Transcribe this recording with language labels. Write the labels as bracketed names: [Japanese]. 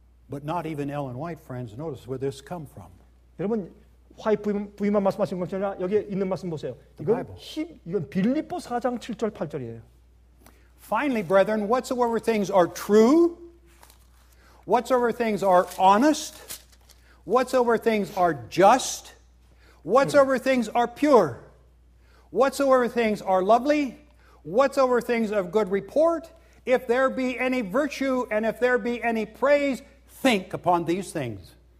[English] But not even Ellen White, friends, notice where this come from. [Korean] 여러분 화이트 부인만 말씀하신 것이 아니라 여기 있는 말씀 보세요. 이건 빌립보 4장 7절 8절이에요. [English] Finally, brethren, whatsoever things are true, whatsoever things are honest, whatsoever things are just, whatsoever things are pure, whatsoever things are lovely, whatsoever things of good report, if there be any virtue and if there be any praise, think upon these things.